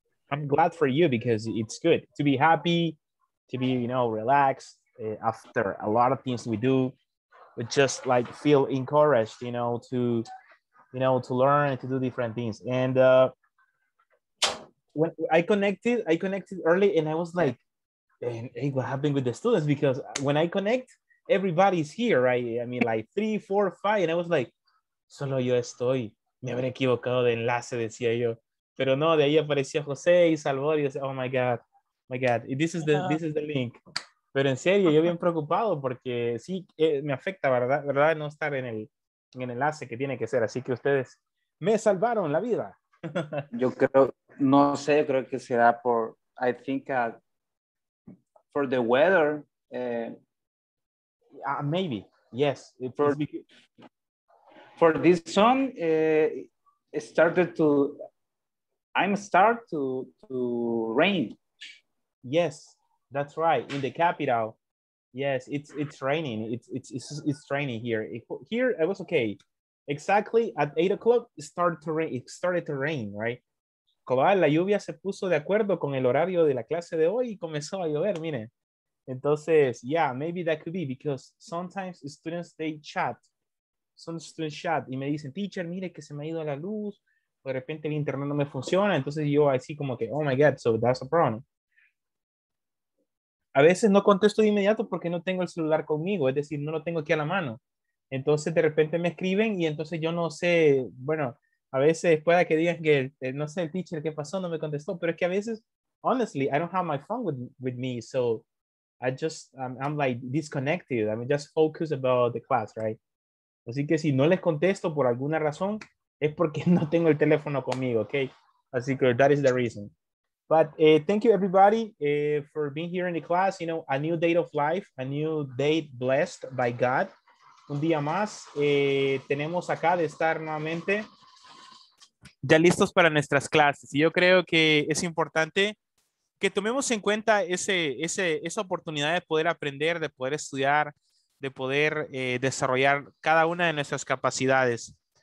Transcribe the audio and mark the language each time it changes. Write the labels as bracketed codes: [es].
[en] I'm glad for you because it's good to be happy, to be, you know, relaxed after a lot of things we do, but just like feel encouraged, you know, to learn and to do different things. And when I connected early and I was like, hey, what happened with the students? Because when I connect, everybody's here, right? I mean, like 3, 4, 5. And I was like, [es] solo yo estoy. Me habré equivocado de enlace, decía yo. Pero no, de ahí aparecía José y Salvador. Y yo decía, [en] oh my God, my God. This is the link. [es] Pero en serio, yo bien preocupado porque sí, me afecta, ¿verdad? No estar en el enlace que tiene que ser, así que ustedes me salvaron la vida. Yo creo, no sé, creo que será por, [en] I think for the weather. Maybe, yes. For this sun, started to rain. Yes, that's right, in the capital. Yes, it's raining. It's raining here. Here it was okay. Exactly at 8 o'clock, it started to rain, right? [es] Cobal, la lluvia se puso de acuerdo con el horario de la clase de hoy y comenzó a llover, miren. [en] Entonces, yeah, maybe that could be because sometimes students, they chat. Some students chat [es] y me dicen, teacher, mire que se me ha ido la luz. O de repente el internet no me funciona. Entonces yo así como que, [en] oh my God, so that's a problem. [es] A veces no contesto de inmediato porque no tengo el celular conmigo, es decir, no lo tengo aquí a la mano. Entonces, de repente me escriben y entonces yo no sé, bueno, a veces pueda que digan que, no sé, el teacher, ¿qué pasó? No me contestó. [en] Pero es que a veces, honestly, I don't have my phone with me, so I just, I'm like disconnected. I'm just focused about the class, right? [es] Así que si no les contesto por alguna razón, es porque no tengo el teléfono conmigo, okay? Así que [en] that is the reason. But thank you, everybody, for being here in the class. You know, a new date of life, a new date blessed by God. [es] Un día más. Tenemos acá de estar nuevamente ya listos para nuestras clases. Y yo creo que es importante que tomemos en cuenta esa oportunidad de poder aprender, de poder estudiar, de poder desarrollar cada una de nuestras capacidades.